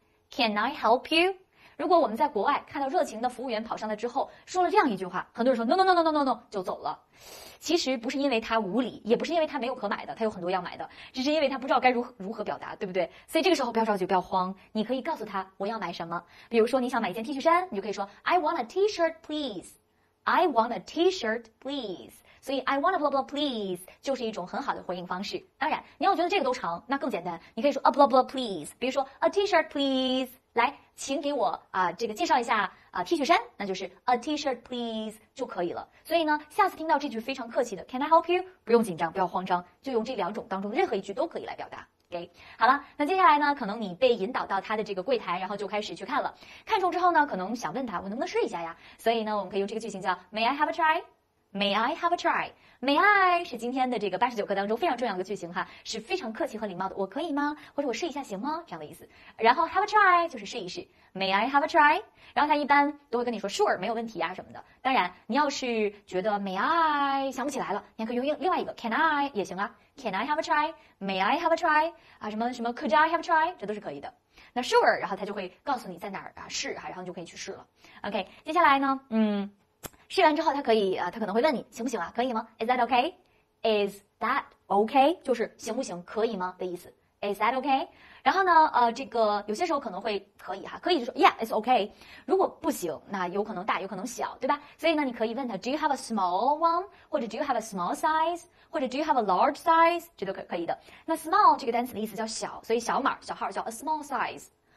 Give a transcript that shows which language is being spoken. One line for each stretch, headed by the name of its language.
English: Can I help you?
Chinese: 如果我们在国外看到热情的服务员跑上来之后，说了这样一句话，很多人说 No， 就走了。其实不是因为他无理，也不是因为他没有可买的，他有很多要买的，只是因为他不知道该如何表达，对不对？所以这个时候不要着急，不要慌，你可以告诉他我要买什么。比如说你想买一件 T 恤衫，你就可以说
English: I want a T-shirt please，
Chinese: I want a T-shirt please。所以
English: I want a blah blah please
Chinese: 就是一种很好的回应方式。当然，你要觉得这个都长，那更简单，你可以说
English: a blah blah please。
Chinese: 比如说
English: a T-shirt please，
Chinese: 来，请给我这个介绍一下。 T 恤衫，那就是
English: a T-shirt please
Chinese: 就可以了。所以呢，下次听到这句非常客气的
English: Can I help you?
Chinese: 不用紧张，不要慌张，就用这两种当中任何一句都可以来表达。 OK， 好了，那接下来呢，可能你被引导到他的这个柜台，然后就开始去看了。看中之后呢，可能想问他，我能不能试一下呀？所以呢，我们可以用这个句型叫
English: May I have a try? May I have a try?
Chinese: May I 是今天的这个89课当中非常重要的句型哈，是非常客气和礼貌的，我可以吗？或者我试一下行吗？这样的意思。
English: 然后 have a try
Chinese: 就是试一试，
English: May I have a try?
Chinese: 然后他一般都会跟你说 sure 没有问题啊什么的。当然你要是觉得 may I 想不起来了，你可以用另外一个 can I 也行啊，
English: can I have a try? May I have a try? 啊，
Chinese: 什么什么
English: could I have a try?
Chinese: 这都是可以的。那 sure 然后他就会告诉你在哪儿啊试啊，然后你就可以去试了。 OK， 接下来呢，嗯，试完之后，他可以他可能会问你行不行啊？可以吗
English: ？Is that okay? Is that okay?
Chinese: 就是行不行，可以吗的意思。
English: Is that okay?
Chinese: 然后呢，这个有些时候可能会可以哈，可以就说
English: Yeah, it's okay.
Chinese: 如果不行，那有可能大，有可能小，对吧？所以呢，你可以问他
English: Do you have a small one?
Chinese: 或者
English: Do you have a small size?
Chinese: 或者
English: Do you have a large size?
Chinese: 这都可以的。那 small 这个单词的意思叫小，所以小码、小号叫
English: a small size.